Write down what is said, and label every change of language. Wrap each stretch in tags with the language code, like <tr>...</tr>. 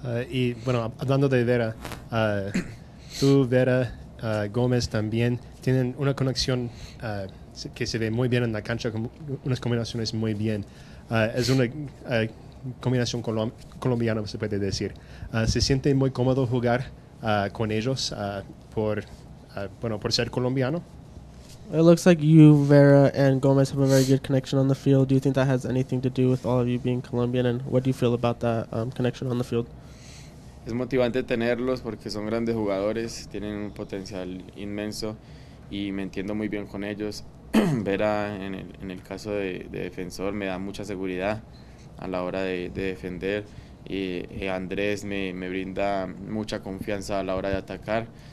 <es>Y bueno, hablando de Vera, tú, Vera, Gómez también tienen una conexión que se ve muy bien en la cancha, con unas combinaciones muy bien. Es una combinación colombiana, se puede decir. ¿Se siente muy cómodo jugar con ellos por ser colombiano?</es> <en>It looks like you, Vera, and Gomez have a very good connection on the field. Do you think that has anything to do with all of you being Colombian? And what do you feel about that connection on the field?</en> <es>Es motivante tenerlos porque son grandes jugadores, tienen un potencial inmenso y me entiendo muy bien con ellos. Vera, en el caso de defensor, me da mucha seguridad a la hora de defender. Andrés me brinda mucha confianza a la hora de atacar.</es>